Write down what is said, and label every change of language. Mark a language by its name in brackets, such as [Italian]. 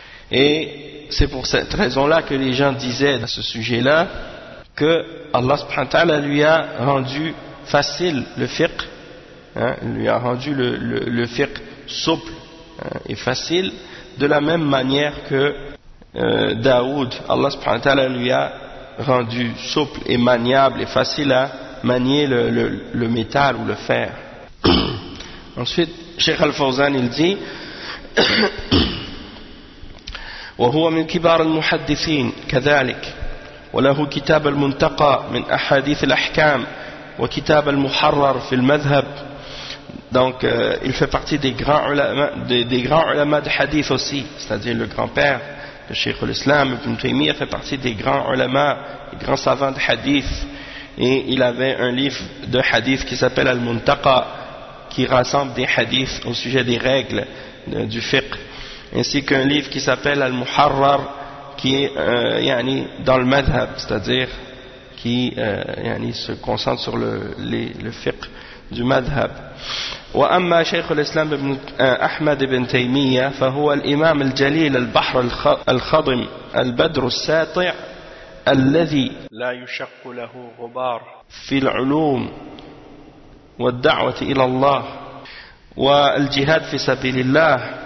[French] Et c'est pour cette raison-là que les gens disaient à ce sujet-là que [Arabic] Allah subhanahu wa ta'ala [French] lui a rendu facile le fiqh, lui a rendu le fiqh souple et facile, de la même manière que Daoud, Allah subhanahu wa ta'ala lui a rendu souple et maniable et facile à manier le métal ou le fer. Ensuite, Cheikh Al-Fawzan il dit [Arabic] وَهُوَ مِنْ كِبَارِ الْمُحَدِّثِينَ كَذَلِكَ وَلَهُ كِتَابَ الْمُنْتَقَى مِنْ أَحَادِيثِ الْأَحْكَامِ وَكِتَابَ الْمُحَرَّرِ فِي الْمَذْهَبِ. [French] Donc il fait partie des grands ulama de hadith aussi, c'est-à-dire le grand-père. Le Cheikh l'Islam Ibn Taymiyyah fait partie des grands ulama, des grands savants de hadith, et il avait un livre de hadith qui s'appelle Al-Muntaqa, qui rassemble des hadiths au sujet des règles du fiqh, ainsi qu'un livre qui s'appelle Al-Muharrar, qui est dans le madhhab, c'est-à-dire qui se concentre sur le fiqh du madhhab. [Arabic] وأما شيخ الإسلام ابن أحمد بن تيمية فهو الإمام الجليل البحر الخضم البدر الساطع الذي لا يشق له غبار في العلوم والدعوة إلى الله والجهاد في سبيل الله.